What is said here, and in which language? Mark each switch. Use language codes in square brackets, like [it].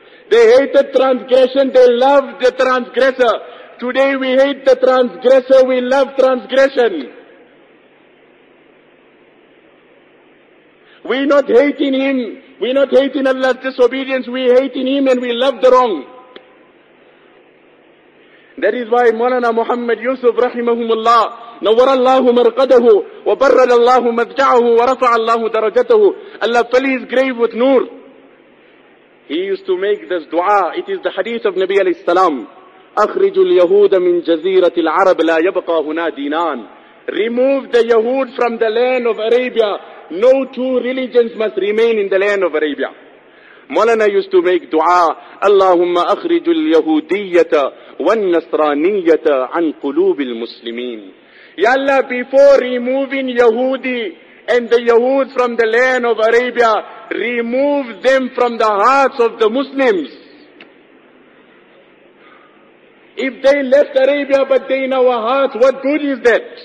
[en] They hated transgression, they loved the transgressor. Today we hate the transgressor, we love transgression. We're not hating him, we're not hating Allah's disobedience, we're hating him and we love the wrong. That is why Mawlana Muhammad Yusuf rahimahumullah, [ar] نور الله مرقده وبرر الله مذجعه ورفع الله درجته. [en] Allah fill his grave with noor. He used to make this dua. It is the hadith of Nabi alayhi salam. [ar] أخرج اليهود من جزيرة العرب لا يبقى هنا دينان. [en] Remove the Yahud from the land of Arabia. No two religions must remain in the land of Arabia. Mawlana used to make dua. [ar] اللهم أخرج اليهودية والنصرانية عن قلوب المسلمين. [en] Ya Allah, before removing Yahudi and the Yahud from the land of Arabia, remove them from the hearts of the Muslims. If they left Arabia but they in our hearts, what good is that?